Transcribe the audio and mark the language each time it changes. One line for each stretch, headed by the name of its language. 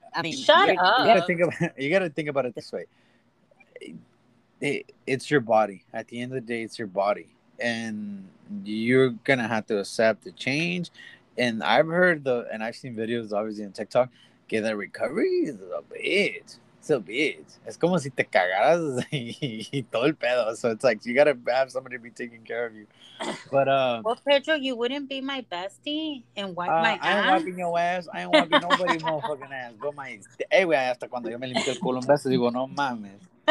English: I mean, shut up. You got to think about it this way. It's your body. At the end of the day, it's your body. And you're going to have to accept the change. And I've heard and I've seen videos, obviously, on TikTok. Que the recovery is a bitch. It's a bitch.
Spanish: Es como si te cagaras y todo el pedo.
English: So it's like, you got to have somebody be taking care of you. But well, Pedro, you wouldn't be my bestie and wipe my ass? I ain't wiping your ass. I ain't wiping nobody's motherfucking ass. But my...
Spanish: Hey, güey, hasta cuando yo me limpio el culo un beso, digo, no mames.